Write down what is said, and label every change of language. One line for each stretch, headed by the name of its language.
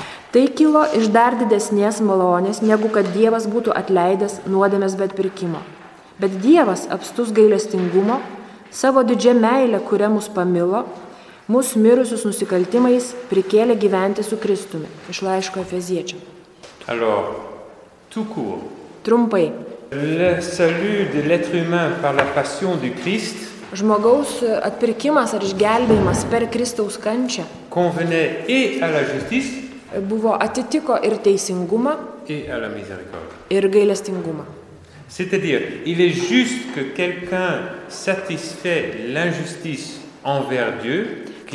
Lithuanian: Tai kilo iš dar didesnės malonės, negu kad Dievas būtų atleidęs nuodėmes be atpirkimo. Bet Dievas, apstus gailestingumo, savo didžią meilę, kurią mus pamilo, mūsų mirusius nusikaltimais prikėlė gyventi su Kristumi, iš laiško Efeziečiam.
French: Alors, tout court.
Lithuanian: Trumpai.
French: Le salut de l'être humain par la passion du Christ.
Lithuanian: Žmogaus atpirkimas ar išgelbėjimas per Kristaus kančią.
French: Convenait et à la justice.
Lithuanian: Buvo atitiko ir teisingumą.
French: Et à la miséricorde.
Lithuanian: Ir gailestingumą.
French: C'est-à-dire, il est juste que quelqu'un satisfait l'injustice envers Dieu.